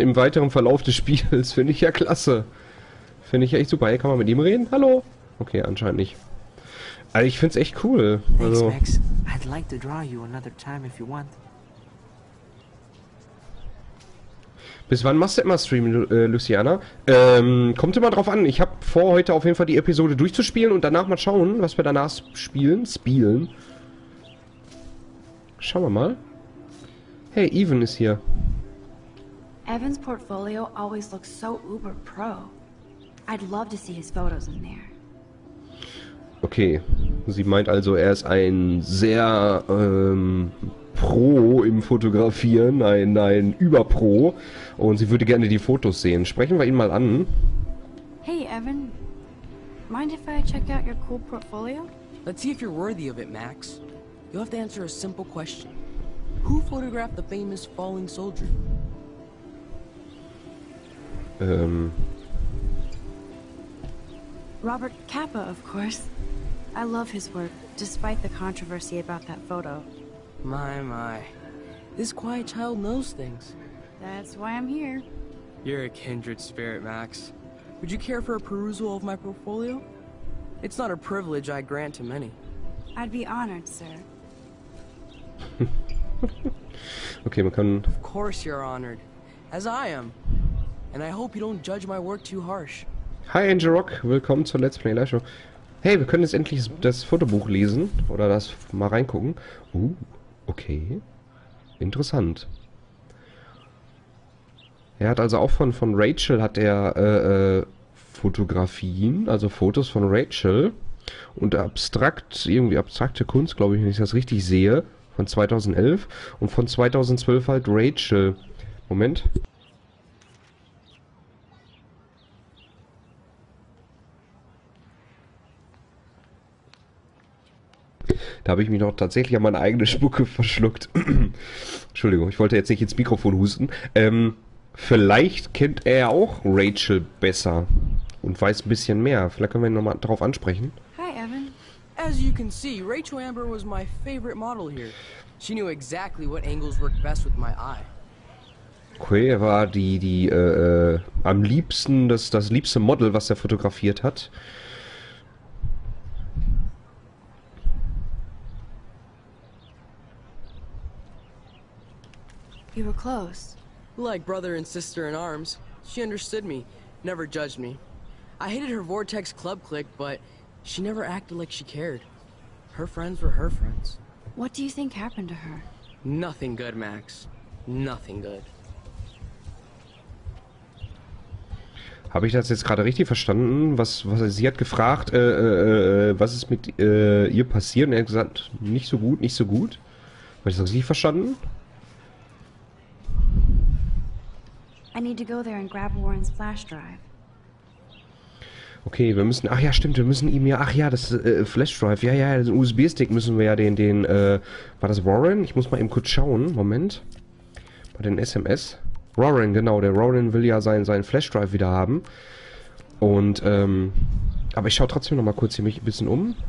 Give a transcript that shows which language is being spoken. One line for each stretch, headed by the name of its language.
German: Im weiteren Verlauf des Spiels finde ich ja klasse. Finde ich ja echt super. Hey, kann man mit ihm reden? Hallo? Okay, anscheinend nicht. Also ich finde es echt cool. Also.
English: Thanks, Max. I'd like to draw you another time if you want.
German: Bis wann machst du immer Stream, Luciana? Kommt immer drauf an. Ich habe vor, heute auf jeden Fall die Episode durchzuspielen und danach mal schauen, was wir danach spielen. Spielen. Schauen wir mal. Hey, Evan ist hier.
English: Evan's portfolio always looks so uber pro. I'd love to see his photos in there. Okay.
German: Sie meint also, er ist ein sehr Pro im Fotografieren. Nein, Überpro. Und sie würde gerne die Fotos sehen. Sprechen wir ihn mal an.
English: Hey, Evan. Mind if I check out your cool portfolio? Let's see if you're worthy of it, Max. You'll have to answer a simple question. Who photographed the famous fallen soldier? Robert Capa, of course. I love his work, despite the controversy about that photo. My. This quiet child knows things. That's why I'm here. You're a kindred spirit, Max. Would you care for a perusal of my portfolio? It's not a privilege I grant to many. I'd be honored, sir.
German: Okay, man kann.
English: Of course you're honored, as I am. And I hope you don't judge my work too harsh.
German: Hi, Angel Rock. Willkommen zur Let's Play Live Show. Hey, wir können jetzt endlich das Fotobuch lesen oder das mal reingucken. Okay. Interessant. Er hat also auch von Rachel hat er Fotografien, also Fotos von Rachel und abstrakte Kunst, glaube ich, wenn ich das richtig sehe, von 2011 und von 2012 halt Rachel. Moment. Da habe ich mich noch tatsächlich an meine eigene Spucke verschluckt. Entschuldigung, ich wollte jetzt nicht ins Mikrofon husten. Vielleicht kennt er auch Rachel besser und weiß ein bisschen mehr. Vielleicht können wir ihn nochmal darauf ansprechen.
English: Hi, Evan. As you can see, Rachel Amber was my favorite model here. She knew exactly what angles worked best with my eye.
German: Okay, er war am liebsten, das liebste Model, was er fotografiert hat.
English: We were close. Like brother and sister in arms. She understood me, never judged me. I hated her vortex club click, but she never acted like she cared. Her friends were her friends. What do you think happened to her? Nothing good, Max. Nothing good.
German: Habe ich das jetzt gerade richtig verstanden? Sie hat gefragt, was ist mit ihr passiert? Und er hat gesagt, nicht so gut, nicht so gut. Habe ich das richtig verstanden?
English: I need to go there and grab Warren's flash drive.
German: Okay, Flash Drive, den USB-Stick müssen wir ja war das Warren? Ich muss mal eben kurz schauen, Moment. Bei den SMS. Warren, genau, der Warren will ja seinen Flash Drive wieder haben. Und, aber ich schaue trotzdem nochmal kurz hier mich ein bisschen um.